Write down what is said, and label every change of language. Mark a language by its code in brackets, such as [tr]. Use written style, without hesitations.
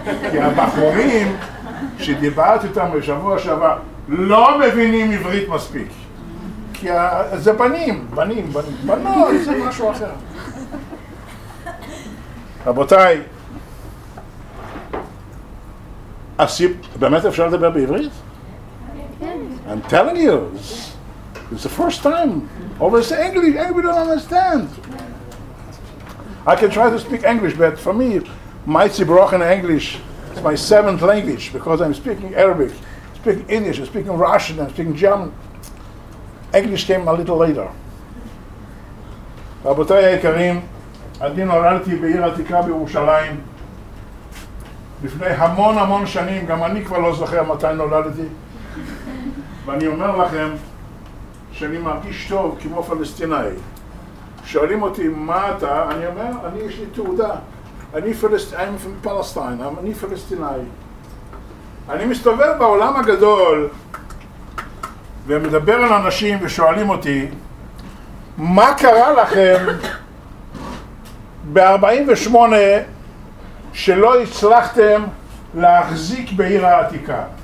[he] כי הבחורים שדיברתי איתם בשבוע שעבר לא מבינים עברית מספיק. כי זה בנים, בנים, בנים, בנות, זה משהו אחר. רבותיי, באמת אפשר לדבר בעברית? [en] I'm telling you, it's the first time. Always say English, everybody don't understand. I can try to speak English, but for me, my broken English is my seventh language, because I'm speaking Arabic, speaking English, speaking Russian, I'm speaking German. English came a little later. [he] רבותיי היקרים, אני נולדתי בעיר עתיקה בירושלים לפני המון המון שנים, גם אני כבר לא זוכר מתי נולדתי. ואני אומר לכם שאני מרגיש טוב כמו פלסטיני. שואלים אותי, מה אתה? אני אומר, אני יש לי תעודה. [en] I'm from Palestine, [he] אני פלסטיני. אני מסתובב בעולם הגדול ומדבר על אנשים ושואלים אותי, מה קרה לכם ב-48 שלא הצלחתם להחזיק בעיר העתיקה?